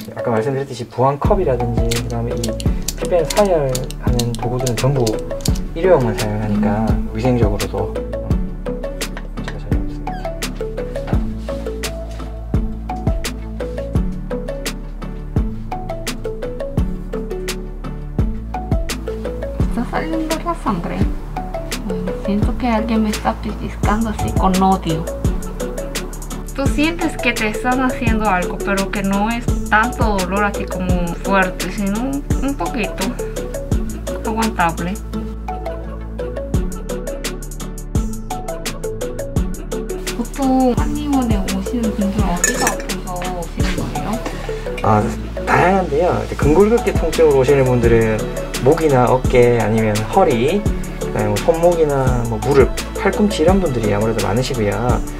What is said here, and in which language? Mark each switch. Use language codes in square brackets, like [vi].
[ko] 아까 말씀드렸듯이 부항컵이라든지 그다음에 이 피변 사열하는 도구들은 전부 일회용만 사용하니까 위생적으로도 문제가 전혀 없습니다. 진짜 살린다 [es] la sangre. Siento que alguien me está piscando así con odio. Tú sientes que te están haciendo algo, pero que no es tanto dolor así como fuerte, sino un poquito aguantable. [ko] 보통 한의원에 오시는 분들은 어디가 아파서 오시는 거예요? 아, 다양한데요. 근골격계 통증으로 오시는 분들은 목이나 어깨 아니면 허리, 그다음에 손목이나 무릎, 팔꿈치 이런 분들이 아무래도 많으시고요.